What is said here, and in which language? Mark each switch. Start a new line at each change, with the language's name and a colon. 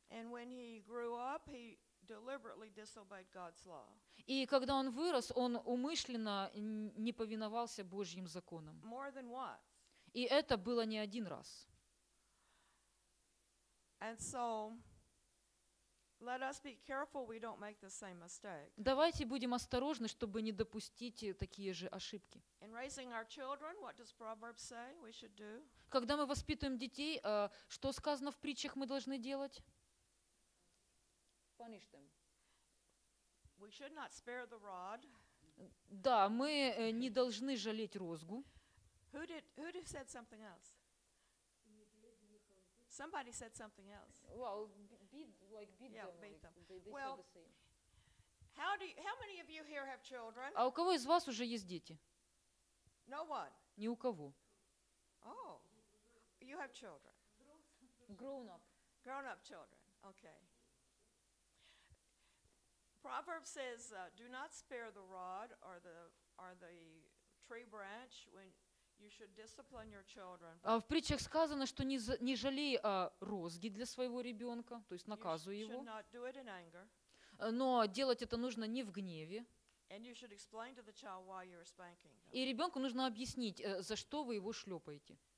English: And when he grew up, he deliberately disobeyed God's law.
Russian: И когда он вырос, он умышленно не повиновался Божьим законам.
English: More than once.
Russian: И это было не один раз.
English: And so let us be careful we don't make the same mistake.
Russian: Давайте будем осторожны, чтобы не допустить такие же ошибки.
English: In raising our children, what does Proverbs say we should do?
Russian: Когда мы воспитываем детей, что сказано в притчах мы должны делать?
English: Punish them. We should not spare the rod.
Russian: Да, мы не должны жалеть розгу.
English: Who said something else? Somebody said something else. Well, beat them. Well, how many of you here have children?
Russian: А у кого из вас уже есть дети?
English: No one.
Russian: Ни у кого.
English: Oh, you have children. Grown up children. Okay. Proverbs says, "Do not spare the rod or the tree branch when." You should discipline your children.
Russian: А в притчах сказано, что не жалей розги для своего ребенка, то есть наказывай его.
English: You should not do it in anger.
Russian: Но делать это нужно не в гневе.
English: And you should explain to the child why you're spanking him.
Russian: И ребенку нужно объяснить, за что вы его шлепаете.